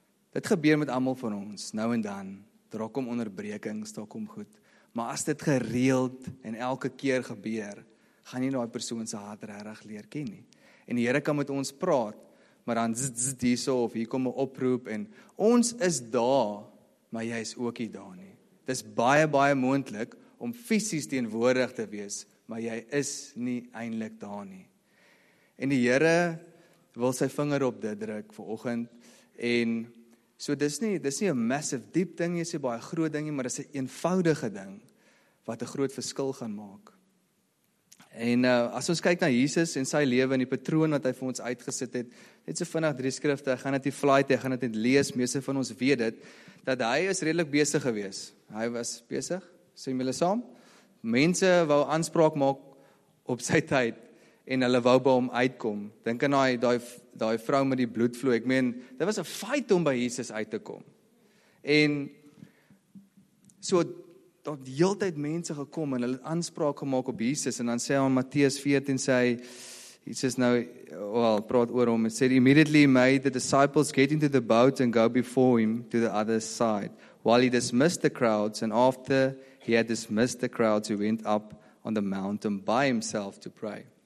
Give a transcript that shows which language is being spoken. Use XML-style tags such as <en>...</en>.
<af>Dit gebeur met almal van ons, nou en dan, daar kom onderbrekings, daar kom goed, maar as dit gereeld en elke keer gebeur, gaan nie daai persoon se hart regtig leer ken nie. En die Here kan met ons praat, maar dan hierso of hier kom 'n oproep en ons is daar, maar jy is ook nie daar nie. Dis baie, baie moontlik om fisies teenwoordig te wees, maar jy is nie eintlik daar nie. En die Here wil sy vinger op dit druk vanoggend. En so dis nie 'n massive deep ding, jy sê baie groot ding, maar dis 'n eenvoudige ding wat 'n groot verskil gaan maak. En as ons kyk na Jesus en sy lewe en die patroon wat hy vir ons uitgesit het, net so vinnig 3 skrifte, ek gaan dit nie vlaai te, ek gaan dit net lees, meeste van ons weet dit, dat hy is redelik besig gewees. Hy was besig, sê julle saam, mense wou aanspraak maak op sy tyd, en hulle wou by hom uitkom. Dink aan daai vrou met die bloedvloei. Ek meen, dit was 'n fight om by Jesus uit te kom. En so tot heeltyd mense gekom en hulle het aanspraak gemaak op Jesus en dan sê hy in Matteus 14 sê hy Jesus nou praat oor hom en sê</af> <en>immediately made the disciples get into the boat and go before him to the other side while he dismissed the crowds and after he had dismissed the crowds he went up on the mountain by himself to pray.</en>